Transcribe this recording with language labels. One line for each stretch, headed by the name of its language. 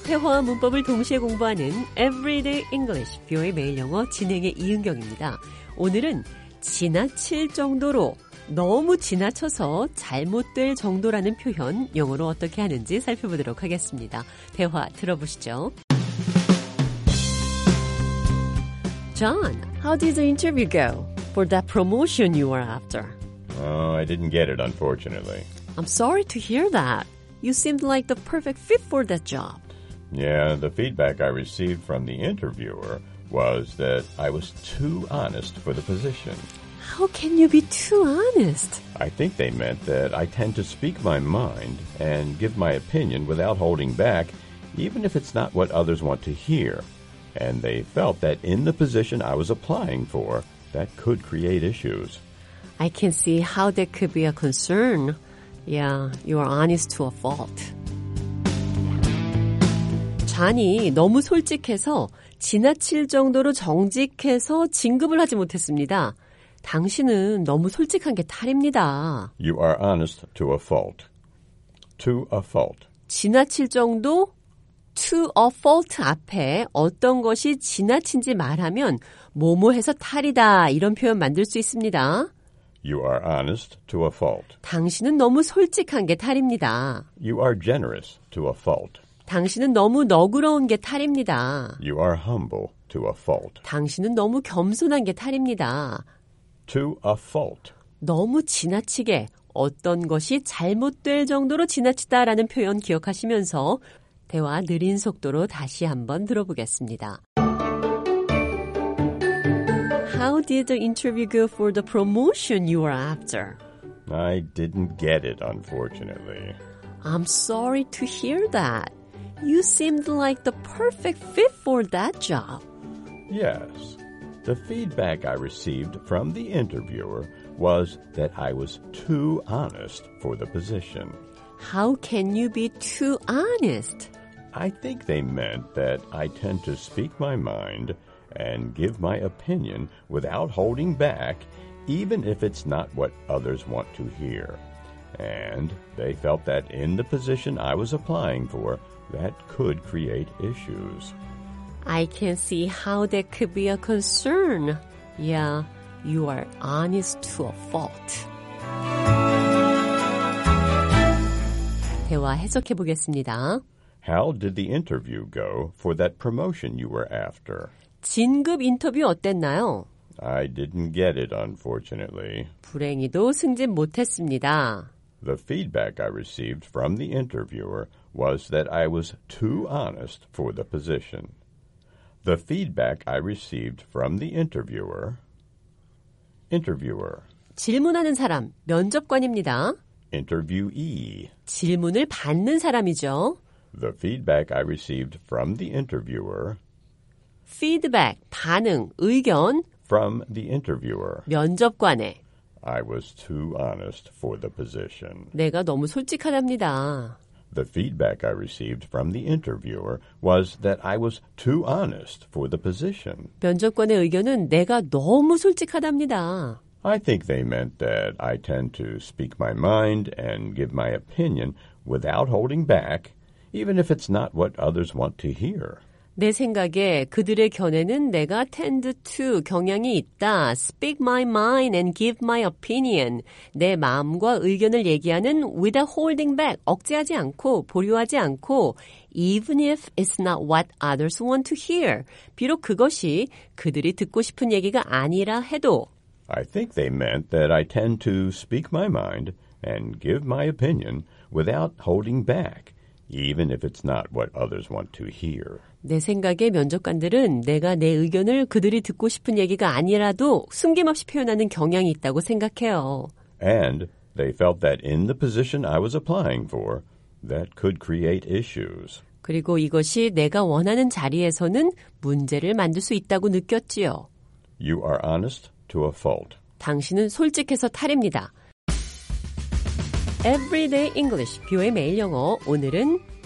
Korean: 회화와 문법을 동시에 공부하는 Everyday English, VOA 매일 영어 진행의 이은경입니다. 오늘은 지나칠 정도로, 너무 지나쳐서 잘못될 정도라는 표현 영어로 어떻게 하는지 살펴보도록 하겠습니다. 대화 들어보시죠.
English: John, how did the interview go for that promotion you were after? I didn't get it, unfortunately. I'm sorry to hear that. You seemed like the perfect fit for that job. Yeah, the feedback I received from the interviewer was that I was too honest for the position. How can you be too honest? I think they meant that I tend to speak my mind and give my opinion without holding back, even if it's not what others want to hear. And they felt that in the position I was applying for, that could create issues. I can see how that could be a concern. Yeah, you are honest to a fault.
Korean: 잔이 너무 솔직해서 지나칠 정도로 정직해서 진급을 하지 못했습니다. 당신은 너무 솔직한 게 탈입니다.
English: You are honest to a fault. To a fault.
Korean: 지나칠 정도,
English: to a fault
Korean: 앞에 어떤 것이 지나친지 말하면 뭐뭐해서 탈이다 이런 표현 만들 수 있습니다.
English: You are honest to a fault.
Korean: 당신은 너무 솔직한 게 탈입니다.
English: You are generous to a fault.
Korean: 당신은 너무 너그러운 게 탈입니다.
English: You are humble to a fault.
Korean: 당신은 너무 겸손한 게 탈입니다.
English: To a fault.
Korean: 너무 지나치게 어떤 것이 잘못될 정도로 지나치다라는 표현 기억하시면서 대화 느린 속도로 다시 한번 들어보겠습니다.
English: How did the interview go for the promotion you were after? I didn't get it, unfortunately. I'm sorry to hear that. You seemed like the perfect fit for that job. Yes. The feedback I received from the interviewer was that I was too honest for the position. How can you be too honest? I think they meant that I tend to speak my mind and give my opinion without holding back, even if it's not what others want to hear. And they felt that in the position I was applying for, that could create issues. I can see how that could be a concern. Yeah, you are honest to a fault.
Korean: 대화 해석해 보겠습니다.
English: How did the interview go for that promotion you were after?
Korean: 진급 인터뷰 어땠나요?
English: I didn't get it, unfortunately.
Korean: 불행히도 승진 못했습니다.
English: The feedback I received from the interviewer was that I was too honest for the position. The feedback I received from the interviewer. Interviewer.
Korean: 질문하는 사람, 면접관입니다.
English: Interviewee.
Korean: 질문을 받는 사람이죠.
English: The feedback I received from the interviewer.
Korean: Feedback, 반응, 의견.
English: From the interviewer.
Korean: 면접관에.
English: I was too honest for the position.
Korean: 내가 너무 솔직하답니다.
English: The feedback I received from the interviewer was that I was too honest for the position.
Korean: 면접관의 의견은 내가 너무 솔직하답니다.
English: I think they meant that I tend to speak my mind and give my opinion without holding back, even if it's not what others want to hear.
Korean: 내 생각에 그들의 견해는 내가
English: tend to,
Korean: 경향이 있다,
English: speak my mind and give my opinion,
Korean: 내 마음과 의견을 얘기하는
English: without holding back,
Korean: 억제하지 않고, 보류하지 않고,
English: even if it's not what others want to hear,
Korean: 비록 그것이 그들이 듣고 싶은 얘기가 아니라 해도.
English: I think they meant that I tend to speak my mind and give my opinion without holding back, even if it's not what others want to hear.
Korean: 내 생각에 면접관들은 내가 내 의견을 그들이 듣고 싶은 얘기가 아니라도 숨김없이 표현하는 경향이 있다고 생각해요.
English: And they felt that in the position I was applying for, that could create issues.
Korean: 그리고 이것이 내가 원하는 자리에서는 문제를 만들 수 있다고 느꼈지요.
English: You are honest to a fault.
Korean: 당신은 솔직해서 탈입니다. Everyday English, 뷰의 매일 영어, 오늘은